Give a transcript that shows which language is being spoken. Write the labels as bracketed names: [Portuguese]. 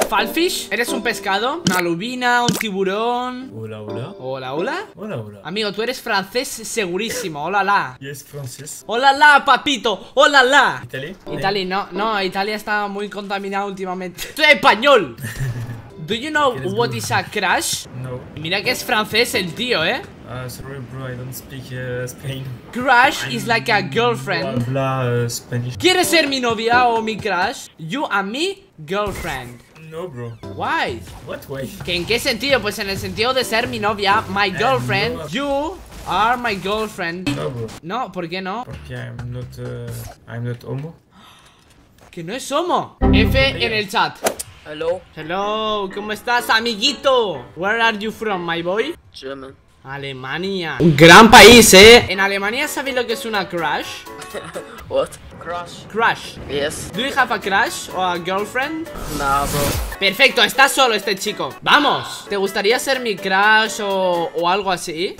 [Spanish] Falfish, eres un pescado, una lubina, un tiburón. Hola, hola. Hola, hola. Hola, hola. Amigo, tú eres francés segurísimo, hola, la. ¿Y es francés? Hola, la, papito, hola, la. ¿Italia? Italia, no, no, Italia está muy contaminada últimamente. ¡Tú eres español! [English] Do you know what is a crush? No. [Spanish] Mira que es francés el tío, eh. [English] Sorry, bro, I don't speak Spain. Crush is like a girlfriend. [Spanish] Habla Spanish. ¿Quieres ser mi novia o mi crush? [English] You and me, girlfriend. No, bro. Why? What way? [Spanish] ¿Que en qué sentido? Pues en el sentido de ser mi novia, [English] my girlfriend. No, you are my girlfriend. No, bro. [Spanish] No, ¿por qué no? Porque [English] I'm not homo. [Spanish] Que no es homo. F en el chat. [English] Hello. [Spanish] Hello, ¿cómo estás, amiguito? [English] Where are you from, my boy? German. [Spanish] Alemania. Un gran país, ¿eh? En Alemania, ¿sabéis lo que es una crush? [English] What? Crush. Crush. Yes. Do you have a crush or a girlfriend? Nah, bro. [Spanish] Perfecto, está solo este chico. ¡Vamos! ¿Te gustaría ser mi crush o algo así?